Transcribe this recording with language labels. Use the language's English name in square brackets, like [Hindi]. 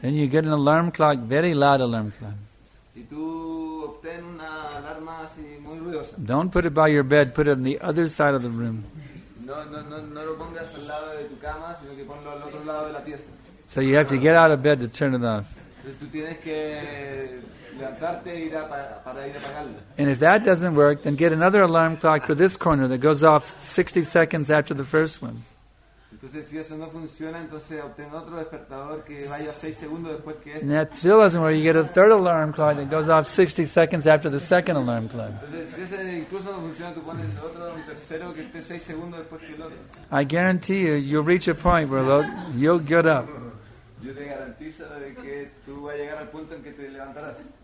[English] And you get an alarm clock, very loud alarm clock. [Spanish] Y tú obtén una alarma así muy ruidosa. [English] Don't put it by your bed, put it on the other side of the room. [Spanish] No lo pongas al lado de tu cama, sino que ponlo al otro lado de la pieza. [English] So you have to get out of bed to turn it off. [Spanish] Entonces tú tienes que levantarte y para ir a apagarlo. [English] And if that doesn't work, then get another alarm clock for this corner that goes off 60 seconds after the first one. [Spanish] Entonces, si eso no funciona, entonces obtén otro despertador que vaya 6 segundos después que este. [English] That still doesn't work. You get a third alarm clock that goes off 60 seconds after the second alarm clock. [Spanish] Entonces, si ese incluso no funciona, tú pones otro, un tercero que esté 6 segundos después que el otro. [English] I guarantee you, you'll reach a point where you'll get up. [Spanish] Yo te garantizo de que tú vas a llegar al punto en que te levantarás.